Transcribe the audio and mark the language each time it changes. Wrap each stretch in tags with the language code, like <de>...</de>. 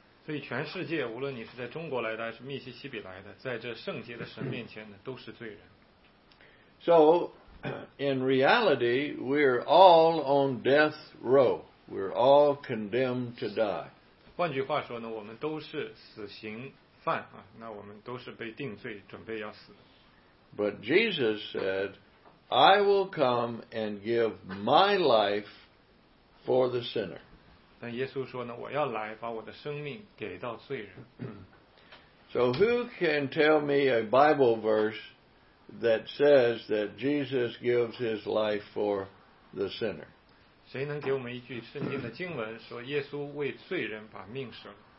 <zh>所以全世界，无论你是在中国来的还是密西西比来的，在这圣洁的神面前呢，都是罪人。</zh> <en>So,In reality, we're all on death row. We're all condemned to die.</en> <zh>换句话说呢，我们都是死刑犯啊，那我们都是被定罪，准备要死。</zh> <en>But Jesus said, I will come and give my life for the sinner.</en> <zh>但耶稣说呢，我要来把我的生命给到罪人。</zh> <en>So who can tell me a Bible verse? That says that Jesus gives his life for the sinner.</en> <zh>谁能给我们一句圣经的经文说耶稣为罪人把命舍了？</zh>